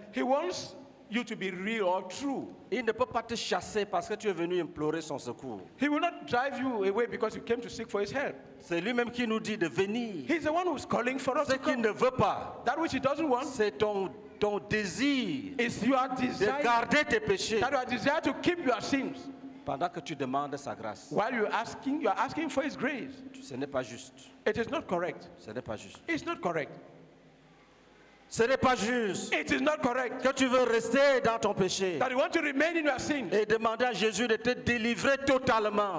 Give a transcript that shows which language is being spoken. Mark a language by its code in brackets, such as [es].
[en] He wants you to be real or true. [fr] Il ne peut pas te chasser parce que tu es venu implorer son secours. [en] He will not drive you away because you came to seek for his help. [fr] C'est lui-même qui nous dit de venir. [en] He is the one who is calling for us. [fr] Ce qu'il ne veut pas. [en] That which he doesn't want. [fr] C'est ton désir [en] is your desire [fr] de garder tes péchés, [en] that your desire to keep your sins, [fr] pendant que tu demandes sa grâce. [en] While you are asking for his grace, [fr] ce n'est pas juste. [en] It is not correct. [fr] Ce n'est pas juste. [en] It's not correct. [fr] Ce n'est pas juste. [en] It is not correct. [fr] Que tu veux rester dans ton péché, [en] that you want to remain in your sins, [fr] et demander à Jésus de te délivrer totalement,